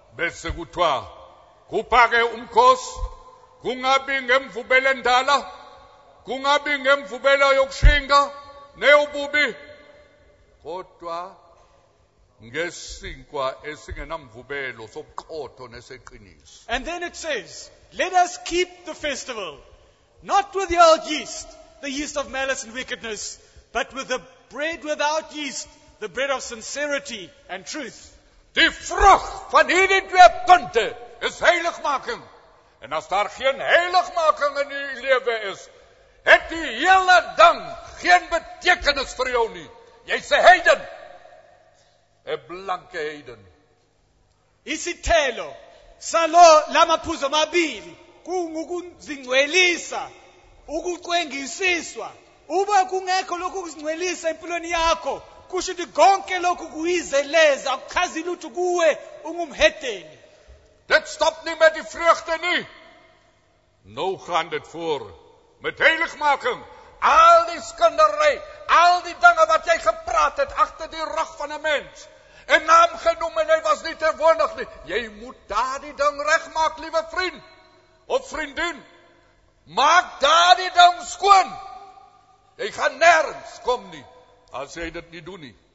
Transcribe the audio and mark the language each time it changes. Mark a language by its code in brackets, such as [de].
[zu] Bese kuthwa kuphake umkhosi kungabi ngemvubelo endala, kungabi ngemvubelo yokushinga neyobubi, kodwa ngesinkwa esingenamvubelo sobuqotho neseqiniso. [en] And then it says, let us keep the festival, not with the old yeast, the yeast of malice and wickedness, but with the bread without yeast, the bread of sincerity and truth. [af] Die vrug van hierdie twee punte is heiligmaking. En as daar geen heiligmaking in die lewe is, het die hele ding geen betekenis vir jou nie. Jy's 'n heiden. 'N blanke heiden. [zu] Isithelo salo lamaphuzo mabili kungukuzingcwelisa ukucwengisiswa. Uba kungekho lokhu kuzingcwelisa empilweni yakho, kusho ukuthi konke lokhu kuyizeleza, akuchazile ukuthi kuwe ungumhedeni. [af] Dit stop nie met die vrugte nie. Nou gaan dit voor met heiligmaking. Al die skinderry, al die dinge wat jy gepraat het agter die rug van 'n mens en naam genoem en hy was nie teenwoordig nie. Jy moet daardie ding regmaak, liewe vriend of vriendin. Maak daardie ding skoon. Jy gaan nêrens kom nie as jy dit nie doen nie.